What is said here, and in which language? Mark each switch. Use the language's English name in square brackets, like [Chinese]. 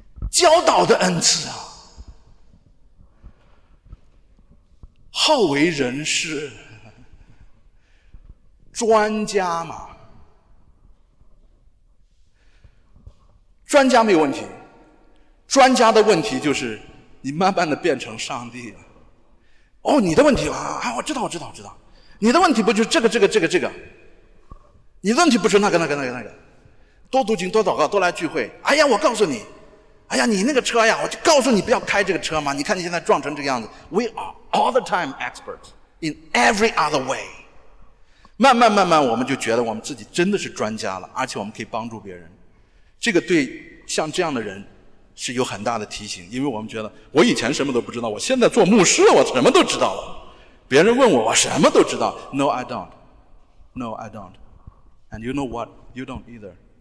[Chinese] 教导的恩赐啊，好为人师，专家嘛，专家没有问题，专家的问题就是你慢慢的变成上帝了。哦，你的问题啊，哎，我知道，我知道，我知道，你的问题不就是这个，这个，这个，这个？你的问题不是那个，那个，那个，那个？多读经，多祷告，多来聚会。哎呀，我告诉你。哎呀，你那个车呀，我就告诉你不要开这个车嘛，你看你现在撞成这个样子。 [English] We are all the time experts in every other way。 [Chinese] 慢慢慢慢我们就觉得我们自己真的是专家了，而且我们可以帮助别人。这个对像这样的人是有很大的提醒，因为我们觉得我以前什么都不知道，我现在做牧师了，我什么都知道了，别人问我我什么都知道。 [English] No I don't， No I don't， And you know what， You don't either。